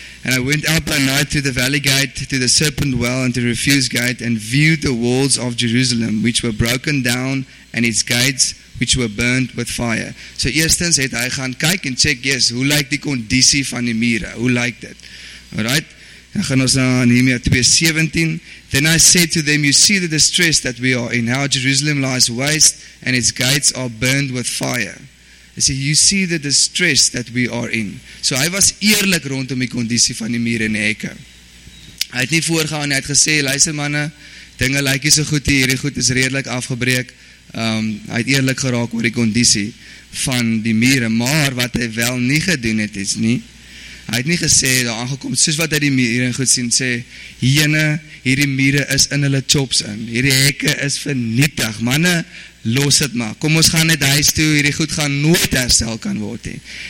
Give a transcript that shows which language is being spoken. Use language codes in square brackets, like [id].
[en] And I went out by night to the valley gate, to the serpent well and to the refuse gate and viewed the walls of Jerusalem which were broken down and its gates which were burned with fire. [af] So eerstens het hy gaan kyk en check, hoe lyk die kondisie van die mure? Hoe lyk dit? Alright? Dan gaan ons na Nehemia 2:17. [en] Then I said to them, you see the distress that we are in, how Jerusalem lies waste, and its gates are burned with fire. I said, you see the distress that we are in. [af] So hy was eerlik rondom die kondisie van die mure en die hekke. Hy het nie voorgaan, hy het gesê, luister manne, dinge lyk nie so goed hier, hierdie goed is redelik afgebreek. Hy het eerlik geraak oor die kondisie van die mure, maar wat hy wel nie gedoen het is nie, hy het nie gesê, daar aangekom, soos wat hy die mure goed sien, sê, jene, hierdie mure is in hulle chops in, hierdie hekke is vernietig, manne, los het maar, kom ons gaan net huis toe, hierdie goed gaan nooit herstel kan word, he.